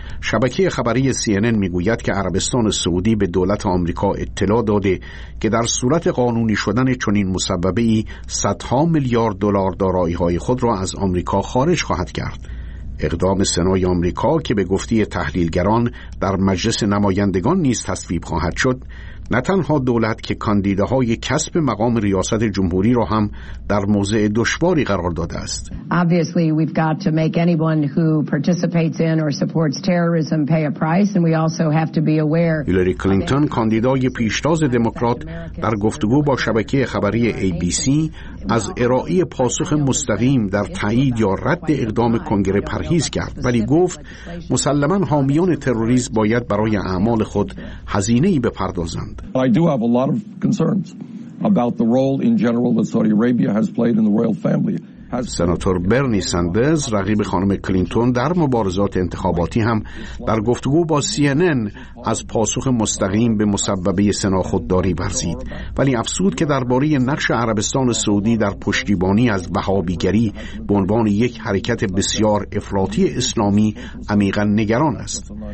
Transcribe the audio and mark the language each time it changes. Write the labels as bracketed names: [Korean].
[Persian] شبکه خبری CNN میگوید که عربستان سعودی به دولت آمریکا اطلاع داده که در صورت قانونی شدن چنین مصوبه‌ای صدها میلیارد دلار دارایی‌های خود را از آمریکا خارج خواهد کرد. اقدام سنای آمریکا که به گفته تحلیلگران در مجلس نمایندگان نیز تصویب خواهد شد، نه تنها دولت که کاندیداهای کسب مقام ریاست جمهوری را هم در موضع دشواری قرار داده است. [English] Obviously we've got to make anyone who participates in or supports terrorism pay a price and we also have to be aware. [Persian] هیلاری کلینتون کاندیدای پیشتاز دموکرات در گفتگو با شبکه خبری ABC از ارائه پاسخ مستقیم در تایید یا رد اقدام کنگره پرهیز کرد، ولی گفت مسلما حامیان تروریسم باید برای اعمال خود هزینه‌ای بپردازند. [English] I do have a lot of concerns about the role in general that Saudi Arabia has played in the royal family. [Persian] سناتور برنی ساندرز رقیب خانم کلینتون در مبارزات انتخاباتی هم در گفتگو با CNN از پاسخ مستقیم به مصوبه سنا خودداری ورزید، ولی افسود که درباره نقش عربستان سعودی در پشتیبانی از وهابیگری به عنوان یک حرکت بسیار افراطی اسلامی عمیقا نگران است.